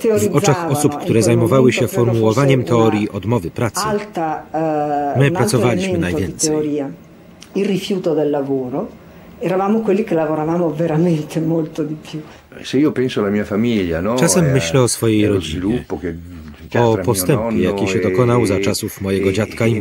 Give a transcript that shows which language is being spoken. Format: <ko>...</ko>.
<pl>W oczach osób, które zajmowały się formułowaniem teorii odmowy pracy, my pracowaliśmy najwięcej.</pl> <it>Il rifiuto del lavoro, eravamo quelli che lavoravamo veramente molto di più. Se io penso alla mia famiglia, no?</it> <pl>Czasem myślę o swojej rodzinie. O postępie, jaki się dokonał za czasów mojego dziadka i</pl>